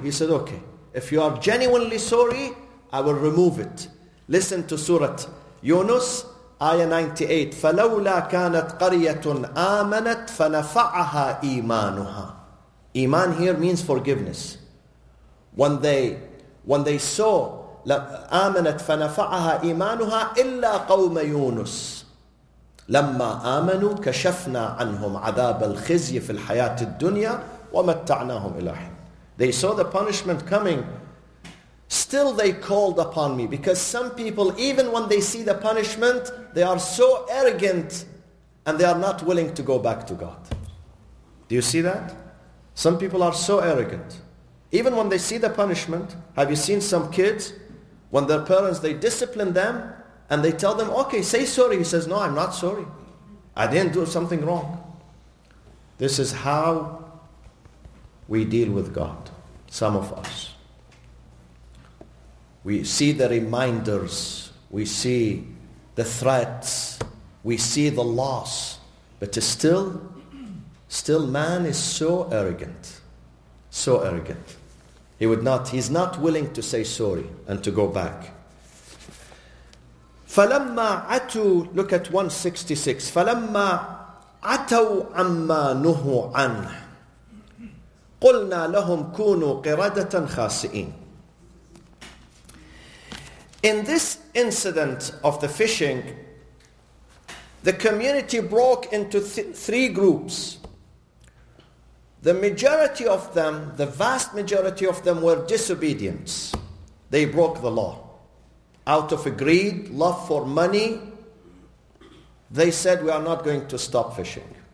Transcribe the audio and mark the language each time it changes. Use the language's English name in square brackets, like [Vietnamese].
[English] He said, okay, if you are genuinely sorry, I will remove it. Listen to Surah Yunus, ayah 98. [Arabic] فَلَوْلَا كَانَتْ قَرْيَةٌ آمَنَتْ فَنَفَعَهَا إِيمَانُهَا. [English] Iman here means forgiveness. When they saw, [Arabic] آمَنَتْ فَنَفَعَهَا إِيمَانُهَا إِلَّا قَوْمَ يُونُسِ لَمَّا آمَنُوا كَشَفْنَا عَنْهُمْ عَذَابَ الْخِزْيِ فِي الْحَيَاةِ الدُّنْيَا وَمَتَّعْنَاهُمْ إِلَىٰ حِينٍ. [English] They saw the punishment coming. Still they called upon me. Because some people, even when they see the punishment, they are so arrogant and they are not willing to go back to God. Do you see that? Some people are so arrogant. Even when they see the punishment, have you seen some kids, when their parents, they discipline them, and they tell them, okay, say sorry. He says, no, I'm not sorry. I didn't do something wrong. This is how we deal with God, some of us. We see the reminders. We see the threats. We see the loss. But still man is so arrogant. So arrogant. He's not willing to say sorry and to go back. [Arabic] فَلَمَّا عَتُوا, [English] look at 166, [Arabic] فَلَمَّا عَتَوْا عَمَّا نُهُوا عَنْهُ قُلْنَا لَهُمْ كُونُوا قِرَدَةً خَاسِئِينَ. [English] In this incident of the fishing, the community broke into three groups. The majority of them, the vast majority of them, were disobedient. They broke the law. Out of greed, love for money, they said, we are not going to stop fishing.